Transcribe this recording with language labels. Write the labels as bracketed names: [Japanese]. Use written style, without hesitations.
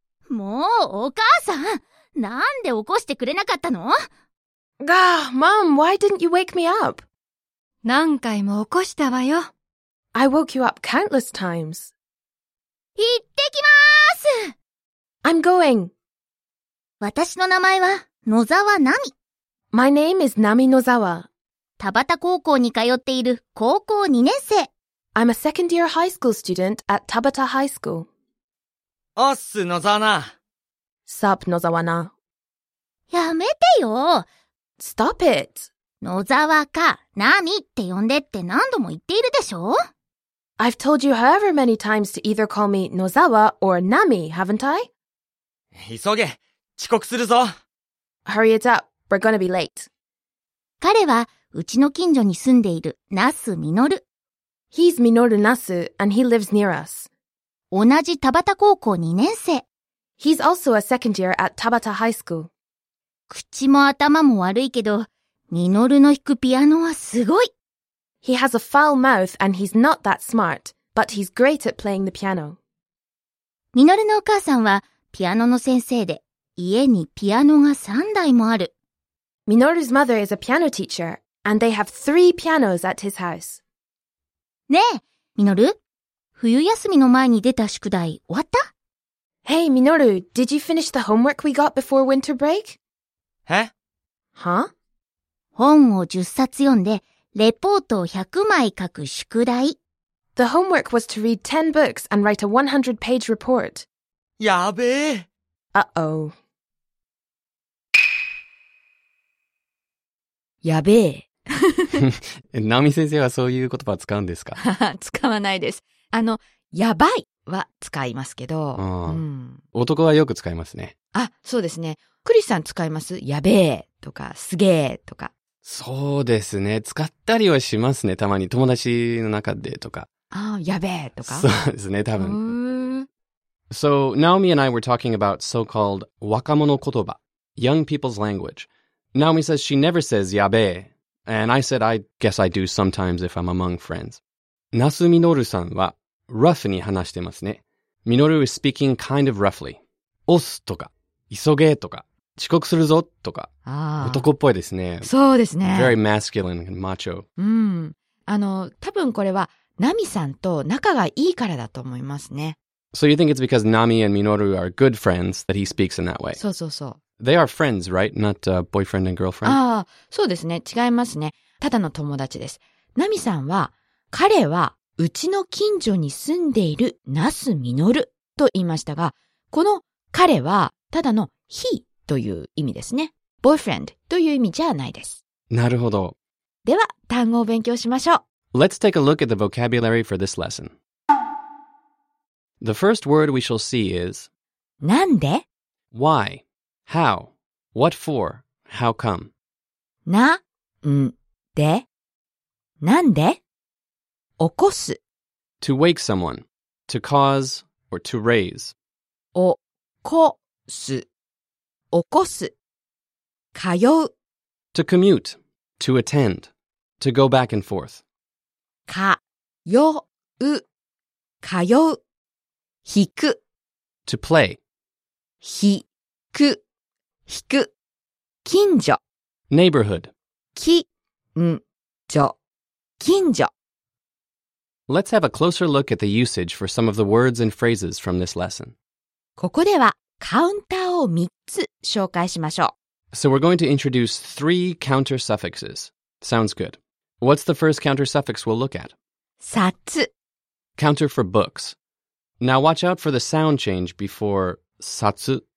[Japanese] もう、お母さん、なんで起こしてくれなかったの？ [English] Gah, Mom, why didn't you wake me up? [Japanese] 何回も起こしたわよ。 [English] I woke you up countless times. [Japanese] 行ってきまーす。 [English] I'm going. [Japanese] 私の名前は野沢奈美。 [English] My name is Nami Nozawa. [Japanese] 田端高校に通っている高校2年生。 [English] I'm a second year high school student at Tabata High School. [Japanese] おっす、野沢奈。 [English] Sup, 野沢奈。 [Japanese] やめてよ。 [English] Stop it! [Japanese] 野沢か、ナミって呼んでって何度も言っているでしょ? [English] I've told you however many times to either call me 野沢 or Nami, haven't I? [Japanese] 急げ、遅刻するぞ。 [English] Hurry it up, we're gonna be late. [Japanese] 彼は、うちの近所に住んでいるナス・ミノル。 [English] He's Minoru Nasu, and he lives near us. [Japanese] 同じ田端高校2年生。 [English] He's also a second year at Tabata High School. [Japanese] 口も頭も悪いけど、ミノルの弾くピアノはすごい。 [English] He has a foul mouth and he's not that smart, but he's great at playing the piano. [Japanese] ミノルのお母さんはピアノの先生で、家にピアノが3台もある。 [English] ミノル's mother is a piano teacher, and they have 3 pianos at his house. [Japanese] ねえ、ミノル、冬休みの前に出た宿題終わった？ [English] Hey, ミノル、did you finish the homework we got before winter break? え？は？ [Japanese] 本を10冊読んで、レポートを100枚書く宿題。 [English] The homework was to read 10 books and write a 100 page report. [Japanese] やべえ。やべえ。ナミ先生はそういう言葉使うんですか？使わないです。やばいは使いますけど、男はよく使いますね。あ、そうですね。クリスさん使います？やべえとか、すげえとか。そうですね。使ったりはしますね。たまに友達の中でとか。ああ、やべえとか。そうですね。多分。 [English] So, Naomi and I were talking about so-called 若者言葉 young people's language. Naomi says she never says やべえ and I said I guess I do sometimes if I'm among friends. [Japanese] ナスミノルさんは rough に話してますね。ミノル [English] is speaking kind of roughly. [Japanese] 押すとか、急げとか、遅刻するぞとか、男っぽいですね。そうですね。 [English] Very masculine and macho. [Japanese] 多分これはナミさんと仲がいいからだと思いますね。 [English] So you think it's because Nami and Minoru are good friends that he speaks in that way? [Japanese] そうそうそう。 [English] They are friends, right? Not a boyfriend and girlfriend? [Japanese] ああ、そうですね。違いますね。ただの友達です。 Nami さんは、彼はうちの近所に住んでいるナス・ミノルと言いましたが、この彼はただの he という意味ですね。 Boyfriend という意味じゃないです。なるほど。では、単語を勉強しましょう。 [English] Let's take a look at the vocabulary for this lesson. The first word we shall see is [Japanese] なんで? [English] Why? How? What for? How come? [Japanese] なんで?なんで?起こす [English] To wake someone. To cause or to raise. [Japanese] 起こす起こす通う [English] To commute. To attend. To go back and forth. [Japanese] 通う弾く [English] To play [Japanese] 弾く弾く近所 [English] Neighborhood [Japanese] 近所近所 [English] Let's have a closer look at the usage for some of the words and phrases from this lesson. [Japanese] ここではカウンターを3つ紹介しましょう。 [English] So we're going to introduce three counter suffixes. Sounds good. What's the first counter suffix we'll look at? [Japanese] 冊 [English] Counter for books. Now watch out for the sound change before 冊